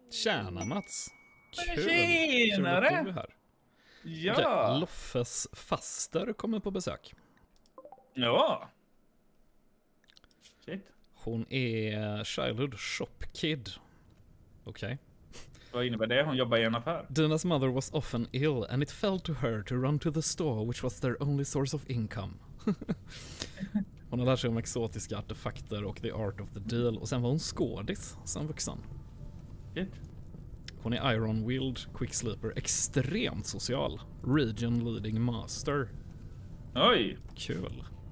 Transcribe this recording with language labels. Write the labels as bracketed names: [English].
[Swedish] Tjena, Mats! Tjenare! Ja! Okay. Loffes faster kommer på besök. Ja! Shit. Hon är [English] childhood shop kid. [Swedish] Okej. Okay. Vad innebär det? Hon jobbar i en affär. [English] Dina's mother was often ill and it fell to her to run to the store which was their only source of income. [Swedish] Hon har lärt sig om exotiska artefakter och [English] the art of the deal. [Swedish] Och sen var hon skådis som vuxen. Shit. Hon är Iron Wild, Quick Sleeper, extremt social. [English] Region Leading Master. [Swedish] Oj! Kul.